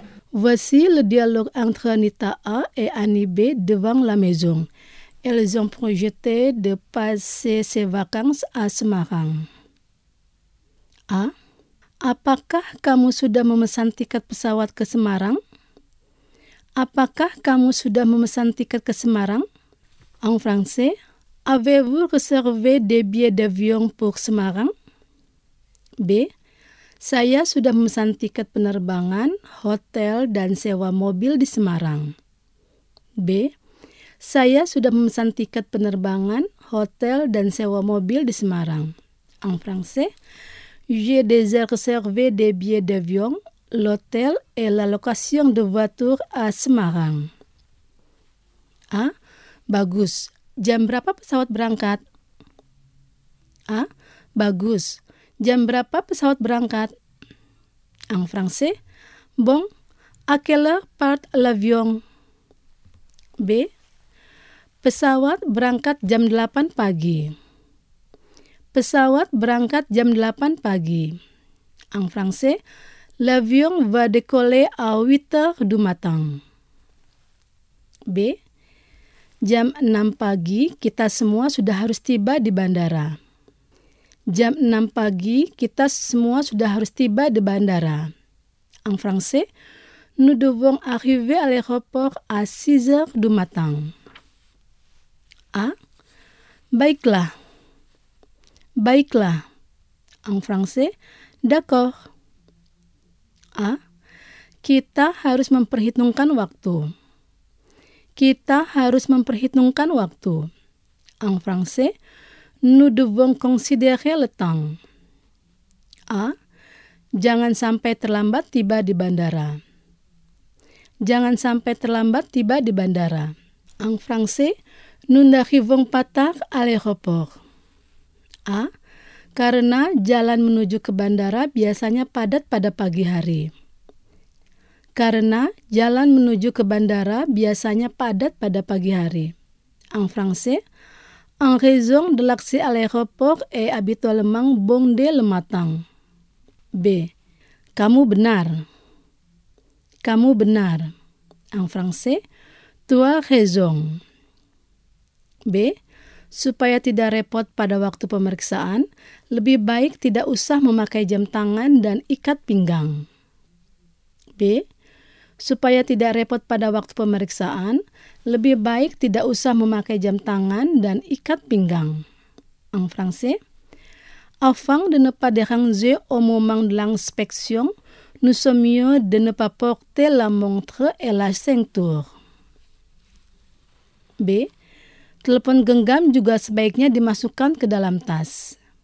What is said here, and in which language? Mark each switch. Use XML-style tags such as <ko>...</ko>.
<fr>Voici le dialogue entre Anita A et Annie B devant la maison. Elles ont projeté de passer ses vacances à Semarang. A.</fr> <id>Apakah kamu sudah memesan tiket pesawat ke Semarang? Apakah kamu sudah memesan tiket ke Semarang?</id> <fr>En français, avez-vous réservé des billets d'avion pour Semarang?</fr> <id>B. Saya sudah memesan tiket penerbangan, hotel, dan sewa mobil di Semarang. B. Saya sudah memesan tiket penerbangan, hotel, dan sewa mobil di Semarang.</id> <fr>En français, j'ai déjà réservé des billets d'avion, l'hôtel et la location de voiture à Semarang.</fr> <id>A. Bagus. Jam berapa pesawat berangkat? A. Bagus. Jam berapa pesawat berangkat?</id> <fr>En français. Bon. À quelle heure part l'avion? B.</fr> <id>Pesawat berangkat jam 8 pagi. Pesawat berangkat jam 8 pagi.</id> <fr>En français. L'avion va décoller à 8 heures du matin. B.</fr> <id>Jam 6 pagi, kita semua sudah harus tiba di bandara. Jam 6 pagi, kita semua sudah harus tiba di bandara.</id> <fr>En français, nous devons arriver à l'aéroport à 6 heures du matin.</fr> <id>A. Baiklah. Baiklah.</id> <fr>En français, d'accord. A.</fr> <id>Kita harus memperhitungkan waktu. Kita harus memperhitungkan waktu.</id> <fr>En français, nous devons considérer le temps. A.</fr> <id>Jangan sampai terlambat tiba di bandara. Jangan sampai terlambat tiba di bandara.</id> <fr>En français, nous n'arrivons pas tard à l'aéroport.</fr> <id>A, karena jalan menuju ke bandara biasanya padat pada pagi hari. Karena jalan menuju ke bandara biasanya padat pada pagi hari.</id> <fr>En français, en raison de l'accès à l'aéroport est habituellement bondé le matin.</fr> <id>B, kamu benar. Kamu benar.</id> <fr>En français, tu as raison.</fr> <id>B, supaya tidak repot pada waktu pemeriksaan, lebih baik tidak usah memakai jam tangan dan ikat pinggang. B, supaya tidak repot pada waktu pemeriksaan, lebih baik tidak usah memakai jam tangan dan ikat pinggang.</id> <fr>En français, avant de ne pas déranger au moment de l'inspection, nous sommes mieux de ne pas porter la montre et la ceinture.</fr> <id>B, telepon genggam juga sebaiknya dimasukkan ke dalam tas.</id>